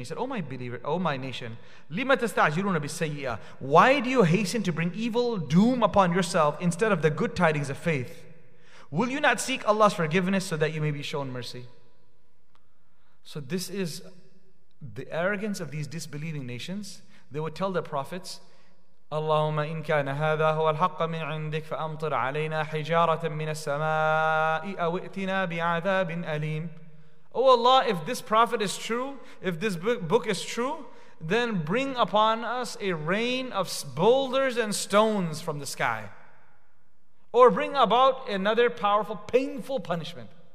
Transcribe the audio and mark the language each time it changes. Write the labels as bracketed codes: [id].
[en] He said, oh my believer, oh my nation, [ar] لِمَ تَسْتَعْجِرُونَ بِالسَّيِّئَةِ. [en] Why do you hasten to bring evil doom upon yourself instead of the good tidings of faith? Will you not seek Allah's forgiveness so that you may be shown mercy? So this is the arrogance of these disbelieving nations. They would tell their prophets, [ar] اللهم إن كان هذا هو الحق من عندك فأمطر علينا حجارة من السماء أو ائتنا بعذاب أليم. [en] Oh Allah, if this prophet is true, if this book is true, then bring upon us a rain of boulders and stones from the sky. Or bring about another powerful, painful punishment.